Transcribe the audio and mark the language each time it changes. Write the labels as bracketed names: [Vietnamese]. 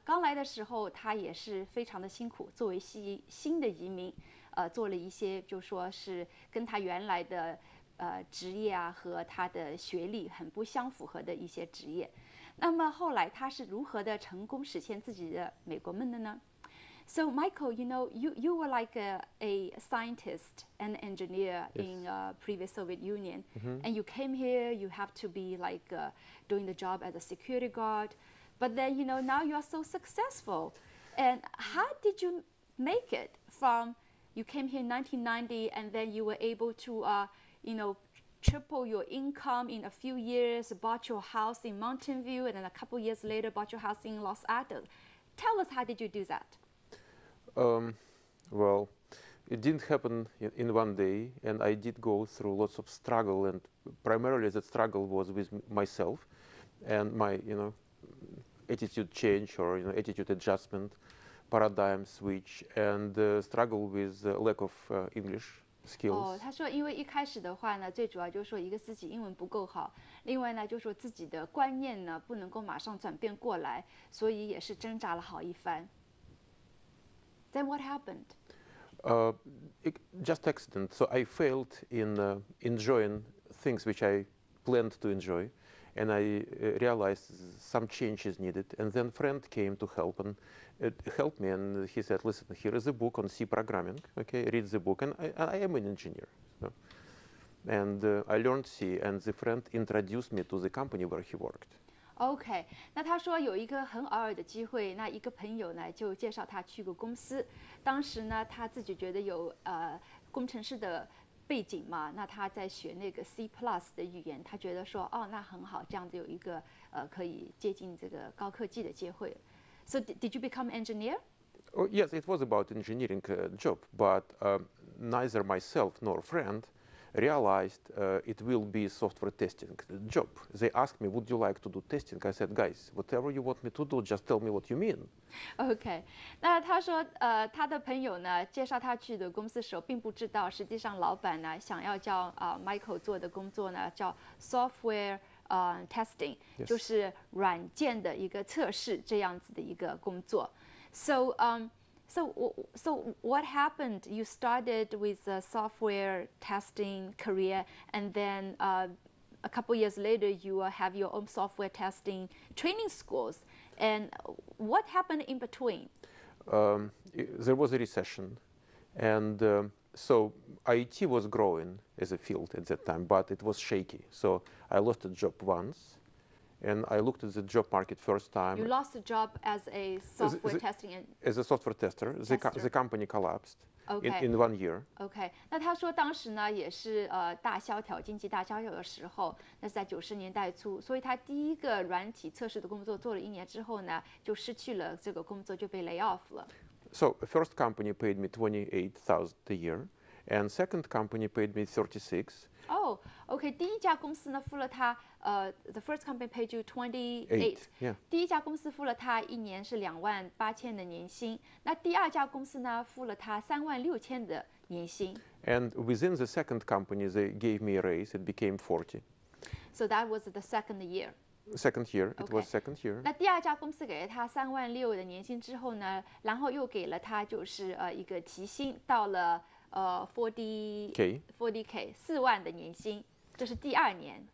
[Chinese] 刚来的时候，他也是非常的辛苦，作为新的移民，做了一些就说是跟他原来的职业啊和他的学历很不相符合的一些职业。那么后来他是如何的成功实现自己的美国梦的呢？ [English] So Michael, you were like a scientist and engineer Yes. in previous Soviet Union, Mm-hmm. and you came here. You have to be like doing the job as a security guard, but then now you are so successful. And how did you make it from you came here in 1990, and then you were able to triple your income in a few years, bought your house in Mountain View, and then a couple years later bought your house in Los Angeles. Tell us, how did you do that? Well, it didn't happen in one day, and I did go through lots of struggle, and primarily the struggle was with myself and my, attitude change or, attitude adjustment, paradigm switch, and struggle with lack of English 哦， skills. [Chinese] 他说，因为一开始的话呢，最主要就是说，一个自己英文不够好，另外呢，就是说自己的观念呢不能够马上转变过来，所以也是挣扎了好一番。 [English] Then what happened? Just accident. So I failed in enjoying things which I planned to enjoy, and I realized some change is needed. And then friend came to help and help me. And he said, "Listen, here is a book on C programming. Okay, read the book." And I am an engineer, so. And I learned C. And the friend introduced me to the company where he worked. [Chinese] OK，那他说有一个很偶尔的机会，那一个朋友呢就介绍他去个公司。当时呢他自己觉得有工程师的背景嘛，那他在学那个 C plus 的语言，他觉得说哦那很好，这样子有一个可以接近这个高科技的机会。 [English] So did you become engineer？ Oh, yes, it was about engineering job, but neither myself nor friend realized it will be software testing job. They asked me, "Would you like to do testing?" I said, "Guys, whatever you want me to do, just tell me what you mean." [Chinese] OK，那他说，他的朋友呢介绍他去的公司时候，并不知道，实际上老板呢想要叫Michael 做的工作呢叫 software testing，就 [English] Yes. [Chinese] 是软件的一个测试这样子的一个工作。 [English] So what happened? You started with a software testing career, and then a couple years later, you have your own software testing training schools. And what happened in between? There was a recession, and so IT was growing as a field at that time, but it was shaky. So I lost a job once, and I looked at the job market first You time lost a job as a software testing and as a software tester. The tester. company collapsed OK. in 1 year. OK. [Chinese] 那他说当时呢也是大萧条，经济大萧条的时候，那是在90年代初，所以他第一个软体测试的工作做了1年之后呢，就失去了这个工作，就被 lay off 了。 [English] So the first company paid me 28,000 a year, and second company paid me 36. Oh, OK. [Chinese] 第一家公司呢付了他 [English] the first company paid you 28. Eight, yeah. [Chinese] 第一家公司付了他1年是28,000的年薪，那第二家公司呢付了他36,000的年薪。 [English] And within the second company, they gave me a raise. It became 40. So that was the second year. Second year, it was OK， second year. [Chinese] 那第二家公司给了他36,000的年薪之后呢，然后又给了他就是一个提薪，到了 [English] K. [Chinese] 40K 4万的年薪，这是第二年。